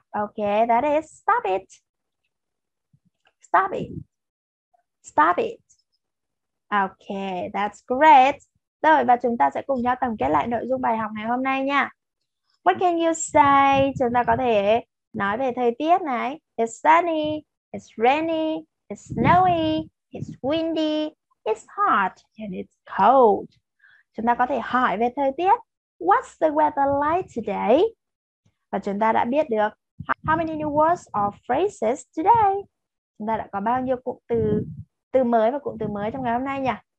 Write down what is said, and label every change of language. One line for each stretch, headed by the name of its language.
English: Okay, that is stop it. Stop it. Stop it. Okay, that's great.
Vietnamese: Rồi, và chúng ta sẽ cùng nhau tổng kết lại nội dung bài học ngày hôm nay nha.
English: What can you say?
Vietnamese: Chúng ta có thể nói về thời tiết này.
English: It's sunny, it's rainy, it's snowy, it's windy, it's hot and it's cold.
Vietnamese: Chúng ta có thể hỏi về thời tiết.
English: What's the weather like today?
Vietnamese: Và chúng ta đã biết được
English: how many new words or phrases today?
Vietnamese: Chúng ta đã có bao nhiêu cụm từ từ mới và cụm từ mới trong ngày hôm nay nhỉ?